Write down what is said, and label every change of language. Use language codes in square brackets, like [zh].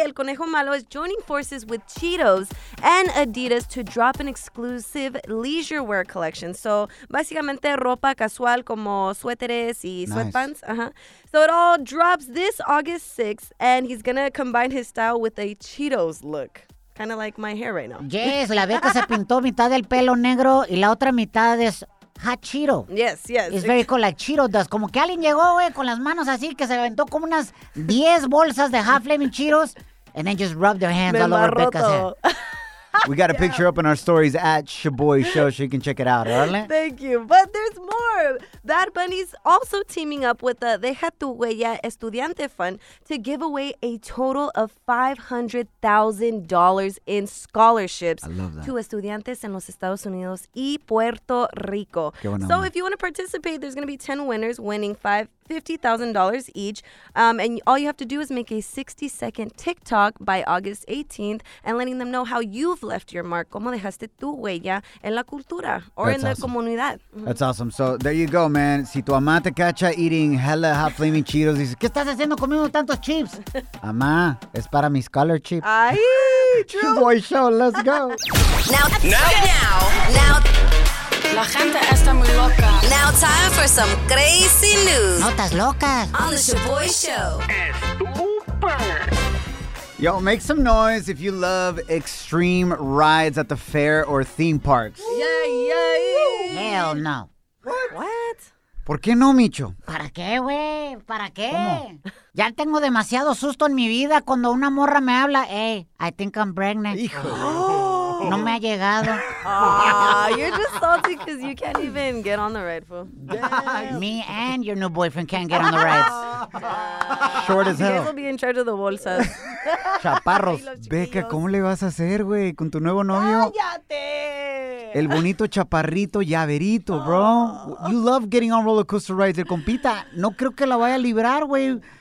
[en] El Conejo Malo is joining forces with Cheetos and Adidas to drop an exclusive leisure wear collection. [es] So, básicamente, ropa casual como suéteres y sweatpants. [en] Nice. Uh-huh. So, it all drops this August 6th, and he's going to combine his style with a Cheetos look. Kind of like my hair right now. [es] Yes, la Beca se pintó mitad del pelo negro y la otra mitad es hot Cheeto. [en] Yes, yes. It's very cool, like Cheeto does. [es] Como que alguien llegó, güey, con las manos así, que se aventó como unas 10 bolsas de Hot Flaming Cheetos, [en] and then just rubbed their hands me all over Becca's hair. We got a picture up in our stories at Shaboy Show, so you can check it out, right? Thank you. But there's more. Bad Bunny's also teaming up with the Deja Tu Huella Estudiante Fund to give away a total of $500,000 in scholarships to [es] estudiantes en los Estados Unidos y Puerto Rico. [en] So if you want to participate, there's going to be 10 winners winning $50,000 each. And all you have to do is make a 60-second TikTok by August 18th and letting them know how you've left your mark. [es] ¿Cómo dejaste tu huella en la cultura [en] or That's in awesome. [es] La comunidad? [en] That's awesome. So there you go, man. [es] Si tu mamá te cacha [en] eating hella hot flaming Cheetos, [es] dices, ¿qué estás haciendo comiendo tantos chips? Mamá, es para mi scholarship. [en] Ay, true. Boy Show, let's go. Now. [es] La gente está muy loca. [en] Now time for some crazy news. [es] Notas locas. [en] On the Shaboy Show. Yo, make some noise if you love extreme rides at the fair or theme parks. Yay, yay. Hell no. What? [es] ¿Por qué no, Micho? ¿Para qué, güey? ¿Para qué? ¿Cómo? Ya tengo demasiado susto en mi vida cuando una morra me habla. [en] Hey, I think I'm pregnant. [es] Hijo. No me ha llegado. [en] You're just salty because you can't even get on the ride, fool. Me and your new boyfriend can't get on the rides. Short as hell. You guys will be in charge of the bolsas. [es] Chaparros. Becca, ¿cómo le vas a hacer, güey, con tu nuevo novio? ¡Cállate! El bonito chaparrito llaverito, [en] bro. You love getting on roller coaster rides. [es] El compita, no creo que la vaya a librar, güey.